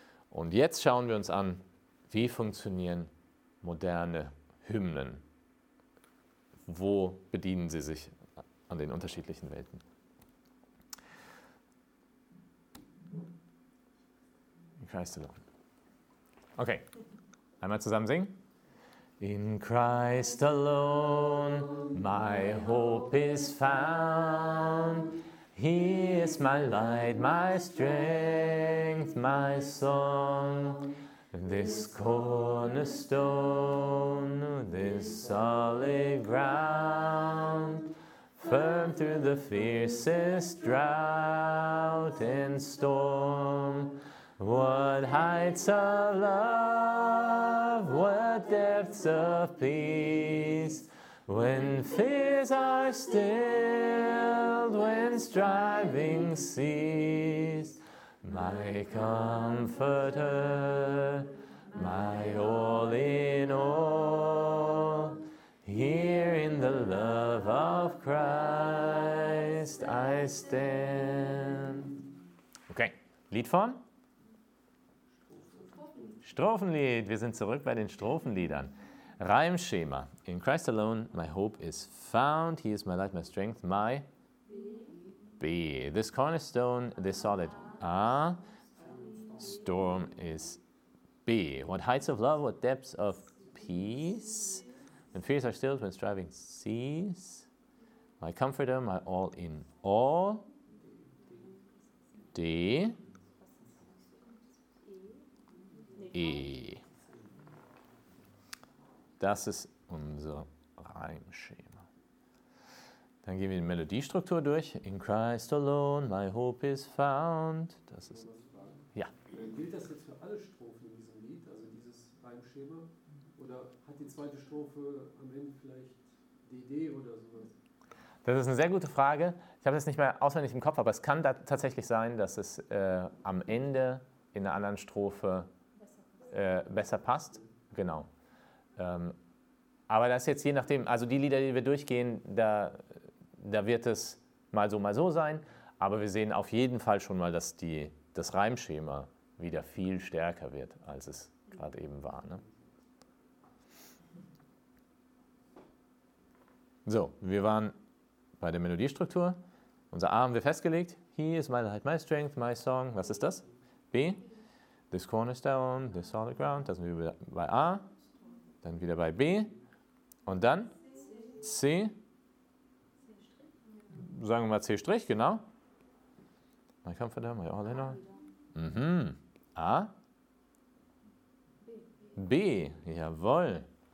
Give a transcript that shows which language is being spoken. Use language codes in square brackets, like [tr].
[de] Und jetzt schauen wir uns an, wie funktionieren moderne Hymnen? Wo bedienen sie sich an den unterschiedlichen Welten? In Christ alone. Okay, einmal zusammen singen. [en] In Christ alone, my hope is found. He is my light, my strength, my song. This cornerstone, this solid ground, firm through the fiercest drought and storm. What heights of love, what depths of peace, when fears are stilled, when striving cease. My comforter, my all in all, here in the love of Christ I stand. [de] Okay, Liedform? Strophenlied, wir sind zurück bei den Strophenliedern. Reimschema. [en] In Christ alone my hope is found, he is my light, my strength, my B. This cornerstone, this solid A, storm is B. What heights of love, what depths of peace, when fears are stilled, when striving cease, my comforter, my all in all. D, E. [de] Das ist unser Reimschema. Dann gehen wir die Melodiestruktur durch. [en] In Christ alone, my hope is found. [de] Das ist, ja. Gilt das jetzt für alle Strophen in diesem Lied, also dieses Reimschema? Oder hat die zweite Strophe am Ende vielleicht die Idee oder sowas? Das ist eine sehr gute Frage. Ich habe das nicht mehr auswendig im Kopf, aber es kann da tatsächlich sein, dass es am Ende in einer anderen Strophe besser passt. Genau. Aber das ist jetzt je nachdem, also die Lieder, die wir durchgehen, da wird es mal so sein, aber wir sehen auf jeden Fall schon mal, dass das Reimschema wieder viel stärker wird, als es gerade eben war. Ne? So, wir waren bei der Melodiestruktur. Unser A haben wir festgelegt. [en] He is my light, my strength, my song. Was ist das? B. This cornerstone, this solid ground. [de] Das sind wir bei A. Dann wieder bei B und dann C. sagen wir mal C', genau. Mein Kampf verdammt, ja, Holländer. Mhm. A. B. Jawohl.